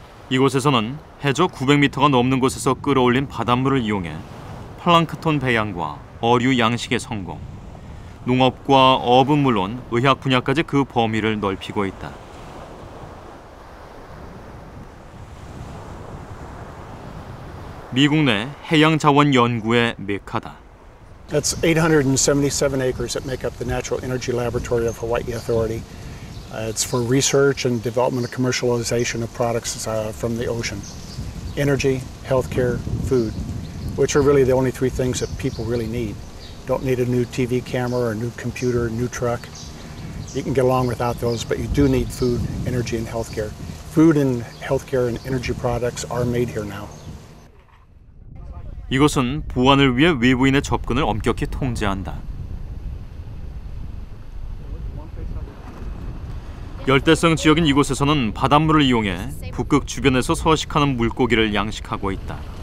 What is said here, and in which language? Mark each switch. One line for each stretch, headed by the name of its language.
Korean: 이곳에서는 해저 900m가 넘는 곳에서 끌어올린 바닷물을 이용해 플랑크톤 배양과 어류 양식의 성공, 농업과 어업은 물론 의학 분야까지 그 범위를 넓히고 있다. 미국 내 해양 자원 연구의 메카다.
English: That's 877 acres that make up the Natural Energy Laboratory of Hawaii Authority. It's for research and development and commercialization of products from the ocean. Energy, healthcare, food, which are really the only three things that people really need. Don't need a new TV camera or a new computer, a new truck. You can get along without those, but you do need food, energy and healthcare. food and healthcare and energy products are made here now.
Korean: 이곳은 보안을 위해 외부인의 접근을 엄격히 통제한다. 열대성 지역인 이곳에서는 바닷물을 이용해 북극 주변에서 서식하는 물고기를 양식하고 있다.